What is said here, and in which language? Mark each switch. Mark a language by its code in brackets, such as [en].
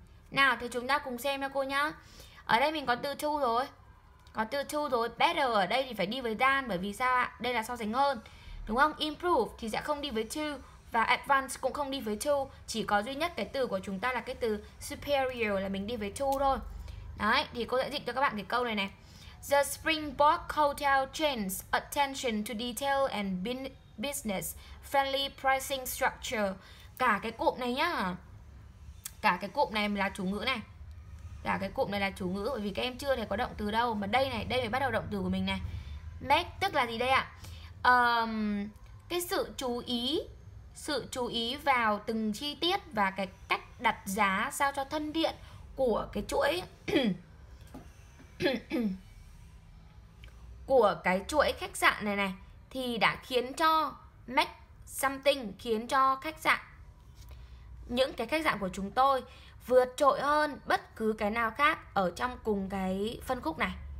[vi] Nào, thì chúng ta cùng xem cho cô nhá. Ở đây mình có từ to rồi. Có từ to rồi. Better ở đây thì phải đi với than. Bởi vì sao ạ? Đây là so sánh hơn. Đúng không? Improve thì sẽ không đi với to. và advanced cũng không đi với to, chỉ có duy nhất cái từ của chúng ta là cái từ superior là mình đi với to thôi. Đấy, thì cô sẽ dịch cho các bạn cái câu này này. [en] The Springbok Hotel chain's attention to detail and business friendly pricing structure. [vi] Cả cái cụm này nhá. Cả cái cụm này là chủ ngữ này. Cả cái cụm này là chủ ngữ bởi vì các em chưa thấy có động từ đâu, mà đây này, đây mới bắt đầu động từ của mình này. Make tức là gì đây ạ? Cái sự chú ý vào từng chi tiết và cái cách đặt giá sao cho thân thiện của cái chuỗi của cái chuỗi khách sạn này này thì đã khiến cho make something, khiến cho khách sạn, những cái khách sạn của chúng tôi vượt trội hơn bất cứ cái nào khác ở trong cùng cái phân khúc này.